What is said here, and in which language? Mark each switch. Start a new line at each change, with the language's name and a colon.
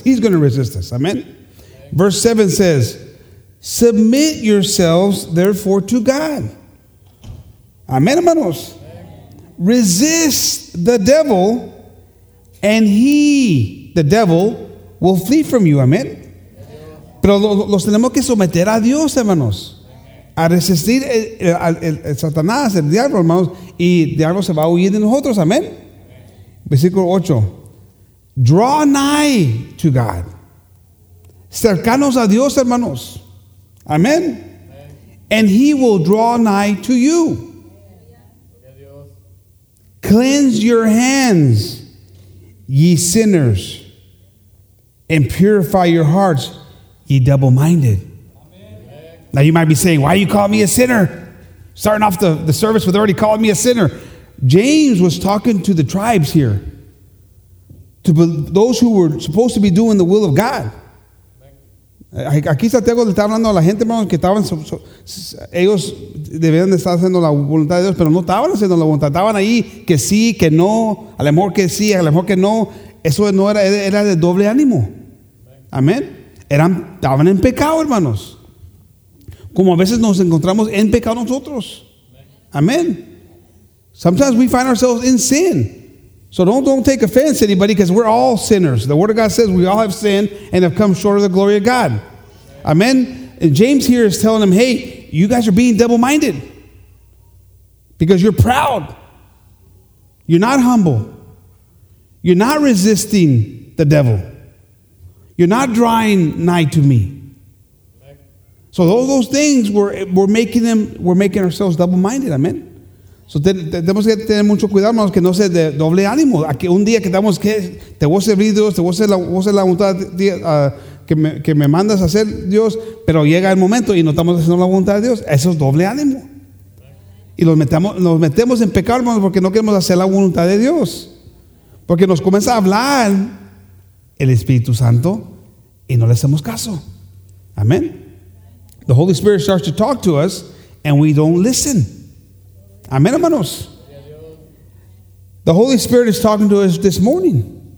English: He's going to resist us. Amen. Verse 7 says, submit yourselves therefore to God. Amen, hermanos. Resist the devil and he, the devil, will flee from you. Amen.
Spanish: Pero los tenemos que someter a Dios, hermanos. A resistir el Satanás, el diablo, hermanos. Y el diablo se va a huir de nosotros. Amén. Versículo 8.
English: Draw nigh to God.
Spanish: Cercanos a Dios, hermanos.
English: Amén. And he will draw nigh to you. Cleanse your hands, ye sinners, and purify your hearts, ye double-minded. Now you might be saying, why you call me a sinner? Starting off the service with already calling me a sinner. James was talking to the tribes here, to those who were supposed to be doing the will of God.
Spanish: Aquí Santiago le está hablando a la gente, hermanos, que estaban, ellos debían de estar haciendo la voluntad de Dios, pero no estaban haciendo la voluntad. Estaban ahí que sí, que no, a lo mejor que sí, a lo mejor que no. Eso no era de doble ánimo. Amén. Estaban en pecado, hermanos. Como a veces nos encontramos en pecado nosotros.
English: Amén. Sometimes we find ourselves in sin. So don't take offense, anybody, because we're all sinners. The word of God says we all have sinned and have come short of the glory of God. Amen. And James here is telling them, hey, you guys are being double-minded. Because you're proud. You're not humble. You're not resisting the devil. You're not drawing nigh to me. So all those things we're making ourselves double minded. Amen.
Spanish: So tenemos que tener mucho cuidado, hermanos, que no sea de doble ánimo. A que un día que estamos que te voy a servir Dios, te voy a hacer la voluntad que me mandas a hacer Dios, pero llega el momento y no estamos haciendo la voluntad de Dios. Eso es doble ánimo. Y nos metemos en pecado, hermanos, porque no queremos hacer la voluntad de Dios. Porque nos comienza a hablar el Espíritu Santo y no le hacemos caso. Amén.
English: The Holy Spirit starts to talk to us and we don't listen.
Spanish: Amén, hermanos.
English: The Holy Spirit is talking to us this morning.